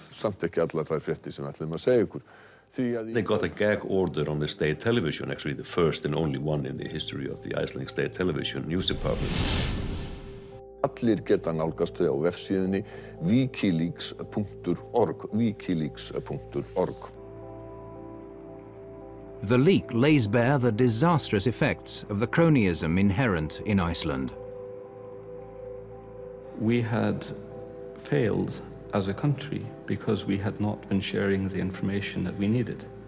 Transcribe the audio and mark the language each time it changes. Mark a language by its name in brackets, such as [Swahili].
[Icelandic] Samt ekki allar þær fréttir sem ætlum að segja ykkur. [English] They got a gag order on the state television, actually the first and only one in the history of the Icelandic state television news department. [Icelandic] Allir geta nálgast þau á vefsíðunni wikileaks.org. [English] The leak lays bare the disastrous effects of the cronyism inherent in Iceland. We had failed as a country because we had not been sharing the information that we needed.